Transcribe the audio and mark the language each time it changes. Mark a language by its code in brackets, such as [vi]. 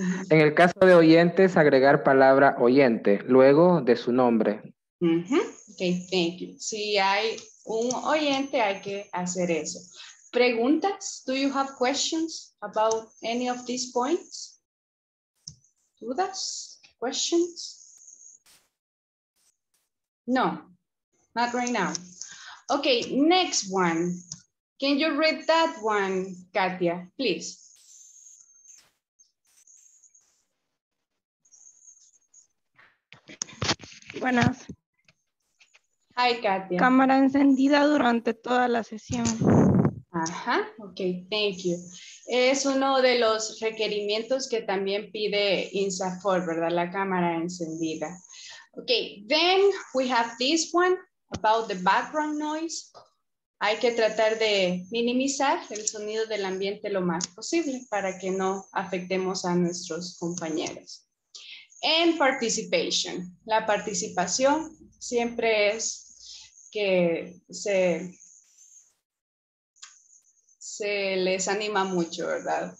[es] En el caso de oyentes, agregar palabra oyente luego de su nombre. [en] Okay, thank you. [es] Si hay un oyente, hay que hacer eso. ¿Preguntas? [en] Do you have questions about any of these points? [es] ¿Dudas? ¿Questions? [en] No, not right now. Okay, next one. Can you read that one, Katia, please? [es] Buenas. [en] Hi, Katia. [es] Cámara encendida durante toda la sesión. [en] Ajá, ok, thank you. [es] Es uno de los requerimientos que también pide INSAFOR, ¿verdad? La cámara encendida. [en] Ok, then we have this one about the background noise. [es] Hay que tratar de minimizar el sonido del ambiente lo más posible para que no afectemos a nuestros compañeros. And participation. La participación siempre es que se les anima mucho, ¿verdad?